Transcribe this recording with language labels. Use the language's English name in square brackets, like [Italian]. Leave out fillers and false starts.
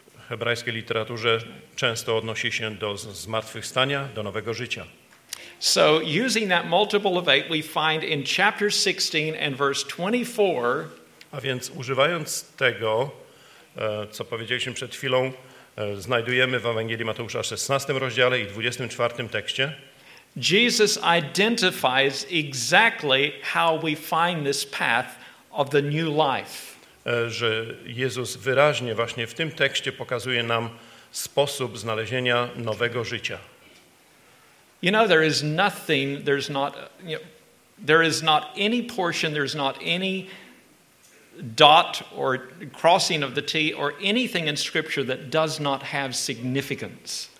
[Polish] hebrajskiej literaturze często odnosi się do zmartwychwstania, do nowego życia. [English] So using that multiple of eight, we find in chapter 16 and verse 24. [Polish] A więc używając tego, co powiedzieliśmy przed chwilą, znajdujemy w Ewangelii Mateusza 16 rozdziale i 24 tekście. [English] Jesus identifies exactly how we find this path of the new life. [Polish] Że Jezus wyraźnie właśnie w tym tekście pokazuje nam sposób znalezienia nowego życia. [English] You know, there is nothing, there's not, you know, there is not any portion, there's not any dot or crossing of the T or anything in Scripture that does not have significance.